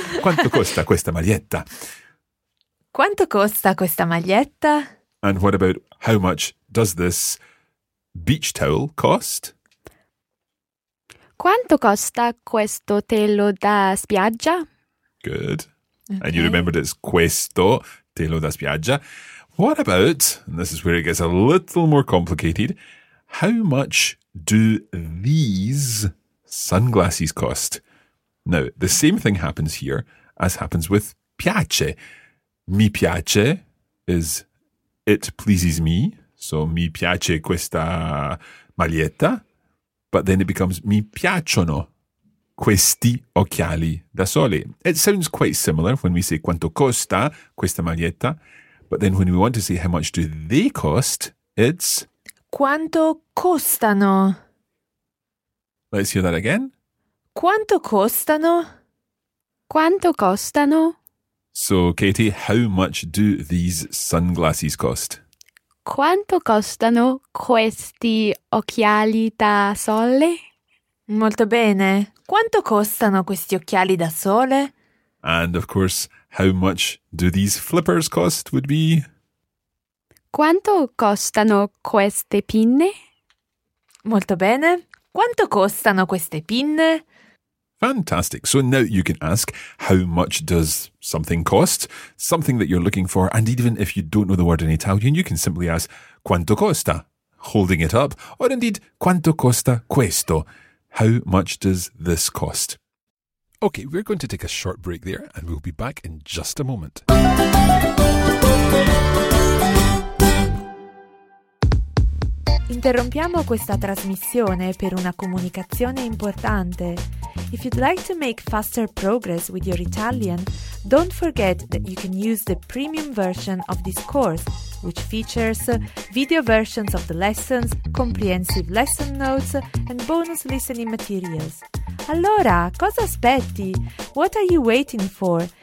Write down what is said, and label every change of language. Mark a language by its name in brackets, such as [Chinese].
[Italian] Quanto costa questa maglietta? Quanto costa questa maglietta? [English] And what about how much does this beach towel cost? [Italian] Quanto costa questo telo da spiaggia? [English] Good. Okay. And you remembered it's questo telo da spiaggia. What about, and this is where it gets a little more complicated, how much do these sunglasses cost? Now, the same thing happens here as happens with piace. Mi piace is it pleases me. [Italian] So mi piace questa maglietta. [English] But then it becomes, [Italian] mi piacciono questi occhiali da sole. [English] It sounds quite similar when we say, [Italian] quanto costa questa maglietta. [English] But then when we want to say, how much do they cost, it's, [Italian] quanto costano. [English] Let's hear that again. [Italian] Quanto costano? Quanto costano? [English] So, Katie, how much do these sunglasses cost? [Italian] Quanto costano questi occhiali da sole? Molto bene. Quanto costano questi occhiali da sole? [English] And, of course, how much do these flippers cost would be? [Italian] Quanto costano queste pinne? Molto bene. Quanto costano queste pinne? [English] Fantastic. So now you can ask, how much does something cost? Something that you're looking for. And even if you don't know the word in Italian, you can simply ask, [Italian] quanto costa? [English] Holding it up. Or indeed, [Italian] quanto costa questo? [English] How much does this cost? Okay, we're going to take a short break there and we'll be back in just a moment. [Italian] Interrompiamo questa trasmissione per una comunicazione importante. [English] If you'd like to make faster progress with your Italian, don't forget that you can use the premium version of this course, which features video versions of the lessons, comprehensive lesson notes, and bonus listening materials. [Italian] Allora, cosa aspetti? [English] What are you waiting for?